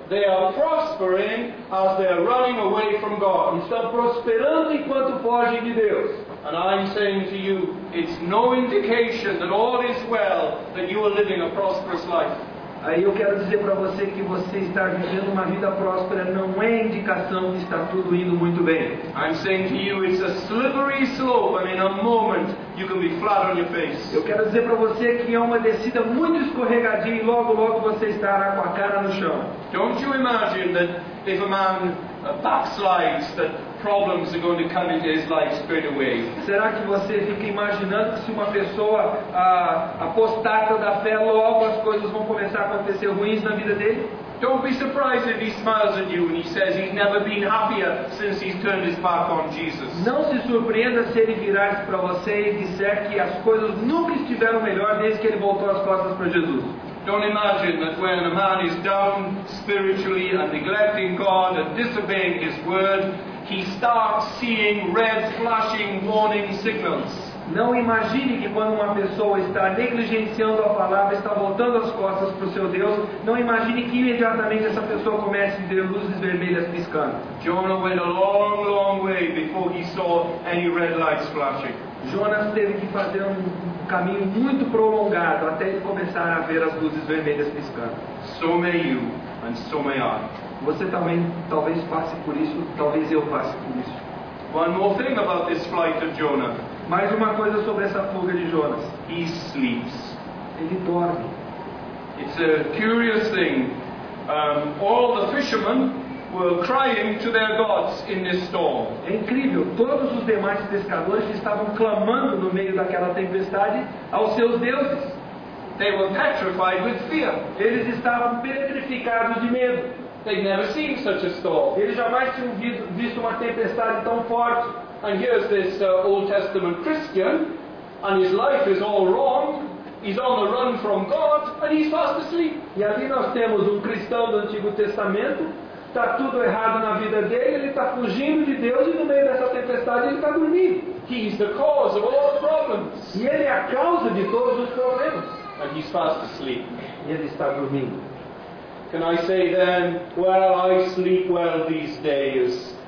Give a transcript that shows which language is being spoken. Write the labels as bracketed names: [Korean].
[English] They are prospering as they are running away from God. [Portuguese] Estão prosperando enquanto fogem de Deus. [English] And I'm saying to you, it's no indication that all is well that you are living a prosperous life. [Portuguese] Aí eu quero dizer para você que você está vivendo uma vida próspera não é indicação de estar tudo indo muito bem. [English] I'm saying to you it's a slippery slope and in a moment you can be flat on your face. [Portuguese] Eu quero dizer para você que é uma descida muito escorregadia e logo logo você estará com a cara no chão. [English] Don't you imagine that if a man backslides that problems are going to come into his life straight away. [Portuguese] Será que você fica imaginando que se uma pessoa apostata da fé, logo as coisas vão começar a acontecer ruins na vida dele? [English] Don't be surprised if he smiles at you and he says he's never been happier since he's turned his back on Jesus. [Portuguese] Não se surpreenda se ele virar para você e disser que as coisas nunca estiveram melhor desde que ele voltou as costas para Jesus. [English] Don't imagine that when a man is down spiritually and neglecting God and disobeying His word, he starts seeing red flashing warning signals. [Portuguese] Não imagine que quando uma pessoa está negligenciando a palavra, está voltando as costas para o seu Deus, não imagine que imediatamente essa pessoa comece a ver luzes vermelhas piscando. [English] Jonah went a long, long way before he saw any red lights flashing. [Portuguese] Jonas teve que fazer um caminho muito prolongado até ele começar a ver as luzes vermelhas piscando. [English] So may you, and so may I. [Portuguese] Você também talvez passe por isso, talvez eu passe por isso. [English] One more thing about this flight of Jonah. [Portuguese] Mais uma coisa sobre essa fuga de Jonas. [English] He sleeps. [Portuguese] Ele dorme. [English] It's a curious thing. All the fishermen were crying to their gods in this storm. [Portuguese] É incrível. Todos os demais pescadores estavam clamando no meio daquela tempestade aos seus deuses. [English] They were petrified with fear. [Portuguese] Eles estavam petrificados de medo. [English] They'd never seen such a storm. [Portuguese] Eles jamais tinham visto uma tempestade tão forte. [English] And here's this Old Testament Christian, and his life is all wrong. He's on the run from God, and he's fast asleep. [Portuguese] E ali nós temos cristão do Antigo Testamento. Está tudo errado na vida dele. Ele está fugindo de Deus e no meio dessa tempestade ele está dormindo. [English] He's the cause of all the problems. [Portuguese] E ele é a causa de todos os problemas. [English] And he's fast asleep. [Portuguese] E ele está dormindo. [English] Can I say then, well, I sleep well these days?